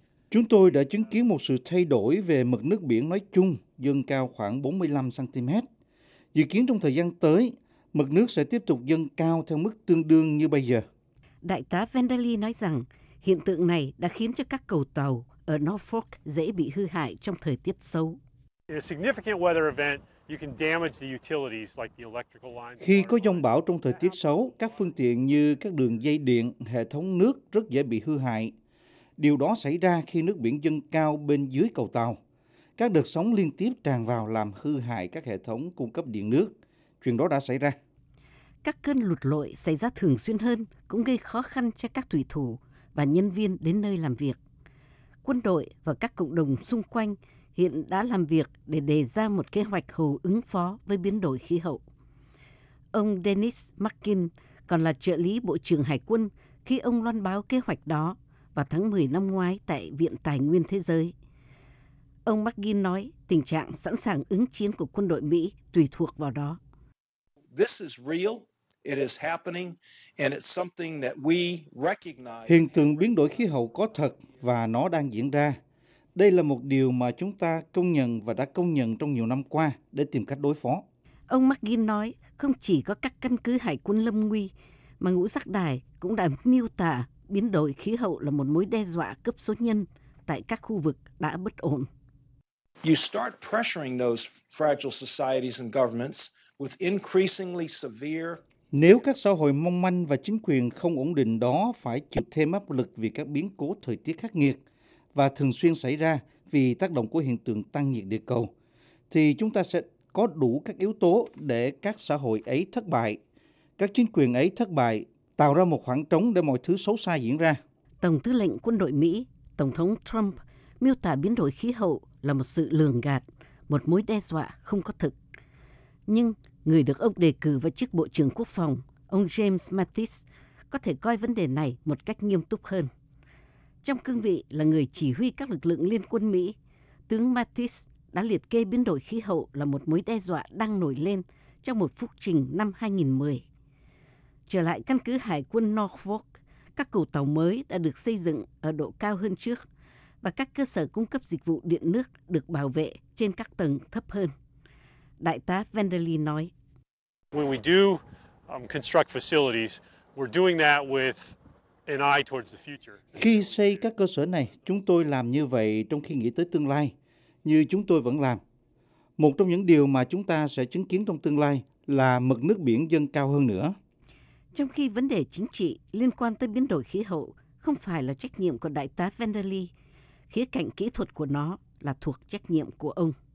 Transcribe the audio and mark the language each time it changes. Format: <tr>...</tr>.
<vi>Chúng tôi đã chứng kiến một sự thay đổi về mực nước biển nói chung, dâng cao khoảng 45 cm. Dự kiến trong thời gian tới, mực nước sẽ tiếp tục dâng cao theo mức tương đương như bây giờ." Đại tá Vanderly nói rằng hiện tượng này đã khiến cho các cầu tàu ở Norfolk dễ bị hư hại trong thời tiết xấu.</vi> <en>In a significant weather event, you can damage the utilities like the electrical lines.</en> <vi>Khi có dông bão trong thời tiết xấu, các phương tiện như các đường dây điện, hệ thống nước rất dễ bị hư hại. Điều đó xảy ra khi nước biển dâng cao bên dưới cầu tàu. Các đợt sóng liên tiếp tràn vào làm hư hại các hệ thống cung cấp điện nước. Chuyện đó đã xảy ra. Các cơn lụt lội xảy ra thường xuyên hơn cũng gây khó khăn cho các thủy thủ và nhân viên đến nơi làm việc. Quân đội và các cộng đồng xung quanh hiện đã làm việc để đề ra một kế hoạch hầu ứng phó với biến đổi khí hậu. Ông Dennis Mackin còn là trợ lý Bộ trưởng Hải quân khi ông loan báo kế hoạch đó vào tháng 10 năm ngoái tại Viện Tài nguyên Thế giới. Ông Mackin nói tình trạng sẵn sàng ứng chiến của quân đội Mỹ tùy thuộc vào đó.</vi> <en>This is real. It is happening, and it's something that we recognize.</en> <vi>Hiện tượng biến đổi khí hậu có thật và nó đang diễn ra. Đây là một điều mà chúng ta công nhận và đã công nhận trong nhiều năm qua để tìm cách đối phó. Ông McGinn nói không chỉ có các căn cứ hải quân lâm nguy, mà ngũ giác đài cũng đã miêu tả biến đổi khí hậu là một mối đe dọa cấp số nhân tại các khu vực đã bất ổn.</vi> <en>You start pressuring those fragile societies and governments with increasingly severe.</en> <vi>Nếu các xã hội mong manh và chính quyền không ổn định đó phải chịu thêm áp lực vì các biến cố thời tiết khắc nghiệt và thường xuyên xảy ra vì tác động của hiện tượng tăng nhiệt địa cầu, thì chúng ta sẽ có đủ các yếu tố để các xã hội ấy thất bại, các chính quyền ấy thất bại, tạo ra một khoảng trống để mọi thứ xấu xa diễn ra. Tổng tư lệnh quân đội Mỹ, Tổng thống Trump, miêu tả biến đổi khí hậu là một sự lường gạt, một mối đe dọa không có thực. Nhưng người được ông đề cử vào chức Bộ trưởng Quốc phòng, ông James Mattis, có thể coi vấn đề này một cách nghiêm túc hơn. Trong cương vị là người chỉ huy các lực lượng liên quân Mỹ, tướng Mattis đã liệt kê biến đổi khí hậu là một mối đe dọa đang nổi lên trong một phúc trình năm 2010. Trở lại căn cứ hải quân Norfolk, các cầu tàu mới đã được xây dựng ở độ cao hơn trước và các cơ sở cung cấp dịch vụ điện nước được bảo vệ trên các tầng thấp hơn. Đại tá Vanderly nói,</vi> <en>when we do construct facilities, we're doing that with an eye towards the future.</en> <vi>Khi xây các cơ sở này, chúng tôi làm như vậy trong khi nghĩ tới tương lai, như chúng tôi vẫn làm. Một trong những điều mà chúng ta sẽ chứng kiến trong tương lai là mực nước biển dâng cao hơn nữa. Trong khi vấn đề chính trị liên quan tới biến đổi khí hậu không phải là trách nhiệm của Đại tá Vanderly, khía cạnh kỹ thuật của nó là thuộc trách nhiệm của ông.</vi>